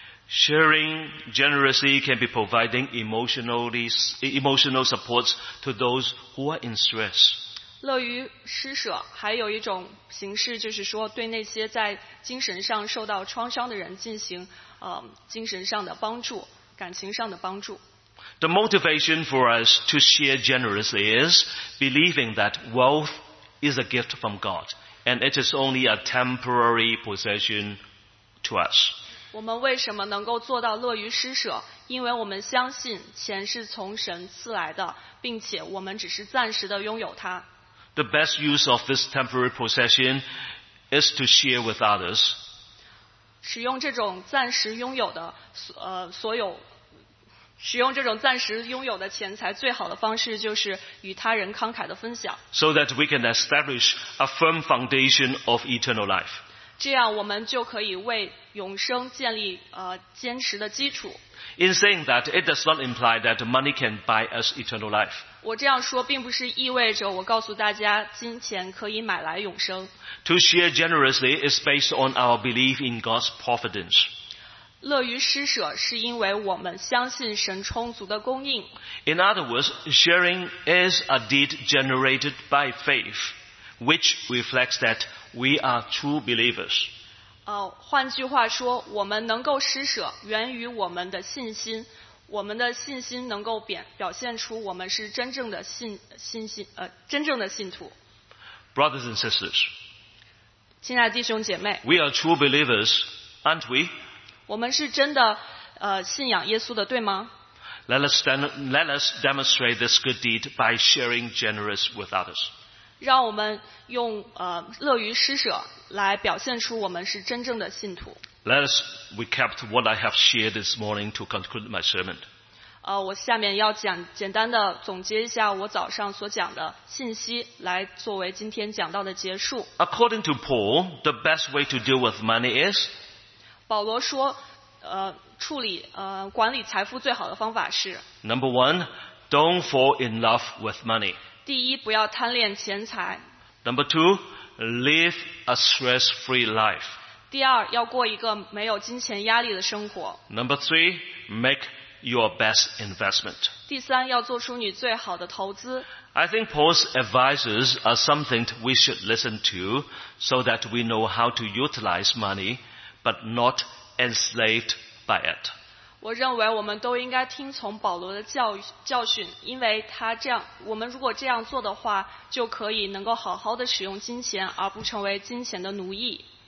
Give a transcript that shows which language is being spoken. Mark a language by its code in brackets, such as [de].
[en] Sharing generously can be providing emotional supports to those who are in stress. [zh] 乐于施舍还有一种形式就是说对那些在精神上受到创伤的人进行精神上的帮助，感情上的帮助。 [en] The motivation for us to share generously is believing that wealth is a gift from God, and it is only a temporary possession to us. [zh] 我们为什么能够做到乐于施舍？因为我们相信钱是从神赐来的，并且我们只是暂时的拥有它。 [en] The best use of this temporary possession is to share with others. [zh] 使用这种暂时拥有的所有。使用这种暂时拥有的钱财最好的方式就是与他人慷慨的分享。 [en] So that we can establish a firm foundation of eternal life. [zh] 这样我们就可以为永生建立坚实的基础。 [en] In saying that, it does not imply that money can buy us eternal life. [zh] 我这样说并不是意味着我告诉大家金钱可以买来永生。 [en] To share generously is based on our belief in God's providence. [zh] 乐于施舍是因为我们相信神充足的供应。 [en] In other words, sharing is a deed generated by faith, which reflects that we are true believers. [zh] 换句话说，我们能够施舍源于我们的信心，我们的信心能够表现出我们是真正的真正的信徒。 [en] Brothers and sisters, [zh] 亲爱的弟兄姐妹 [en] ，We are true believers, aren't we? [zh] 我们是真的信仰耶稣的，对吗？ [en] Let us demonstrate this good deed by sharing generous with others. [zh] 让我们用乐于施舍来表现出我们是真正的信徒。 [en] Let us recap what I have shared this morning to conclude my sermon. [zh] 我下面要讲简单的总结一下我早上所讲的信息，来作为今天讲到的结束。 [en] According to Paul, the best way to deal with money is. [zh] 保罗说，处理管理财富最好的方法是。 [en] Number one, don't fall in love with money. [zh] 第一，不要贪恋钱财。 [en] Number two, live a stress-free life. [zh] 第二，要过一个没有金钱压力的生活。 [en] Number three, make your best investment. [zh] 第三，要做出你最好的投资。 [en] I think Paul's advices are something we should listen to so that we know how to utilize money but not enslaved by it. [zh] 我认为我们都应该听从保罗的教训，因为他这样，我们如果这样做的话，就可以能够好好的使用金钱，而不成为金钱的奴役。